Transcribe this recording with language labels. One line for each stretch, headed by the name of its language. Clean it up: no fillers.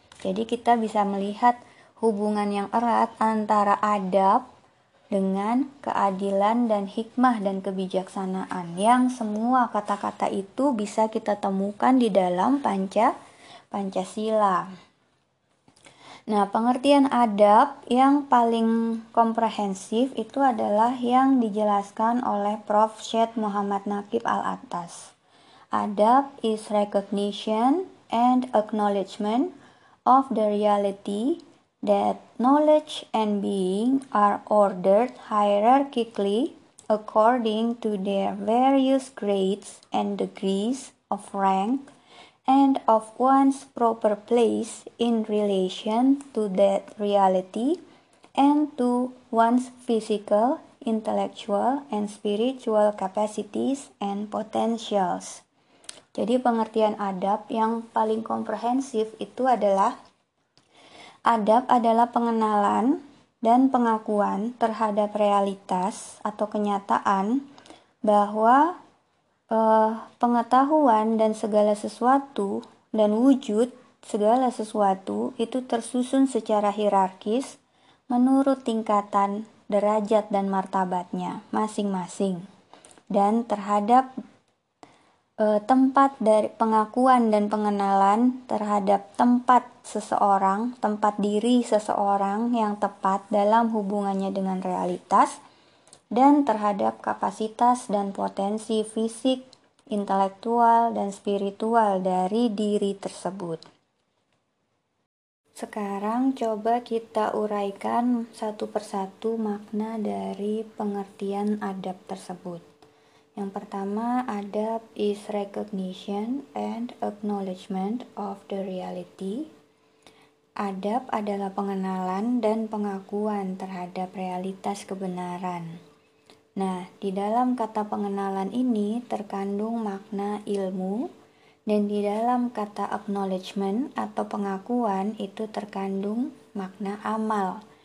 Indonesian: Jadi kita bisa melihat hubungan yang erat antara adab dengan keadilan dan hikmah dan kebijaksanaan yang semua kata-kata itu bisa kita temukan di dalam Pancasila. Nah, pengertian adab yang paling komprehensif itu adalah yang dijelaskan oleh Prof. Syed Muhammad Naqib Al-Attas.
English: Adab is recognition and acknowledgement of the reality that knowledge and being are ordered hierarchically according to their various grades and degrees of rank and of one's proper place in relation to that reality and to one's physical, intellectual, and spiritual capacities and potentials.
Indonesian: Jadi pengertian adab yang paling komprehensif itu adalah adab adalah pengenalan dan pengakuan terhadap realitas atau kenyataan bahwa pengetahuan dan segala sesuatu dan wujud segala sesuatu itu tersusun secara hierarkis menurut tingkatan derajat dan martabatnya masing-masing dan terhadap tempat dari pengakuan dan pengenalan terhadap tempat seseorang, tempat diri seseorang yang tepat dalam hubungannya dengan realitas, dan terhadap kapasitas dan potensi fisik, intelektual, dan spiritual dari diri tersebut. Sekarang coba kita uraikan satu persatu makna dari pengertian adab tersebut. Yang pertama,
English: adab is recognition and acknowledgement of the reality.
Indonesian: Adab adalah pengenalan dan pengakuan terhadap realitas kebenaran. Nah, di dalam kata pengenalan ini terkandung makna ilmu, dan di dalam kata acknowledgement atau pengakuan itu terkandung makna amal.